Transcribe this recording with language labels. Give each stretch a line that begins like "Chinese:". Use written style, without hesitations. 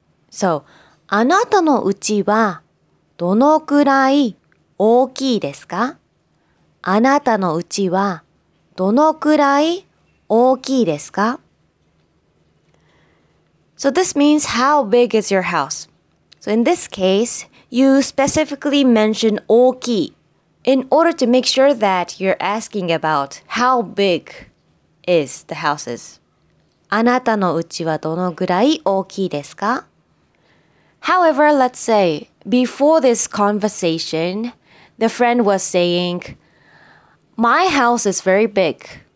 Japanese: So, あなたのうちはどのくらい大きいですか? あなたのうちはどのくらい大きいですか?
English: So this means how big is your house? So in this case, you specifically mention 大きい in order to make sure that you're asking about how big is the houses.
Japanese: あなたのうちはどのぐらい大きいですか?
English: However, let's say, before this conversation, the friend was saying, my house is very big.